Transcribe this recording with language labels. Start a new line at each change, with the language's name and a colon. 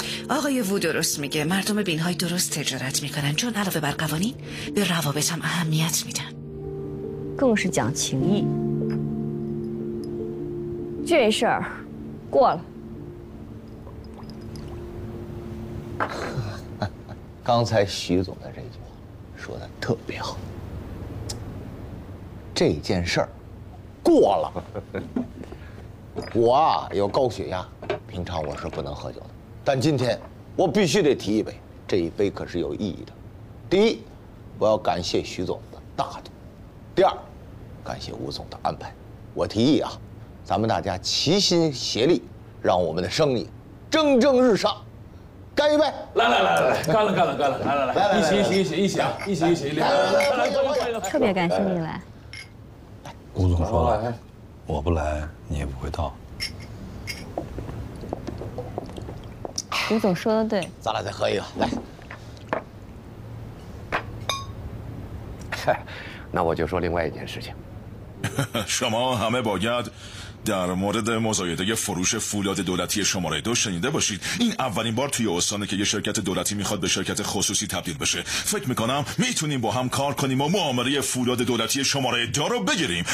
Persian: آقای وو درست میگه، مردم بینهای درست تجارت میکنن چون علاوه بر قوانین به روابط هم اهمیت میدن. گوش جان چینی
Chinese: 这事儿过了。刚才徐总的这句话说的特别好。这件事儿过了。我有高血压，平常我是不能喝酒的，但今天我必须得提一杯。这一杯可是有意义的。第一，我要感谢徐总的大度；第二，感谢吴总的安排。我提议啊，咱们大家齐心协力，让我们的生意蒸蒸日上。干一杯！来来来来来，干了干了干了！来来来，一起一起一起一起啊！一起一起，来来来来，干了！特别感谢你来。顾总说了，我不来你也不会到。吴总说的对，咱俩再喝一个，来。那我就说另外一件事情。
Persian: شما همه باید در مورد مزایده یه فروش فولاد دولتی شماره دو شنیده باشید. این اولین بار توی استانه که یه شرکت دولتی میخواد به شرکت خصوصی تبدیل بشه. فکر میکنم میتونیم با هم کار کنیم و معامله فولاد دولتی شماره دو رو بگیریم.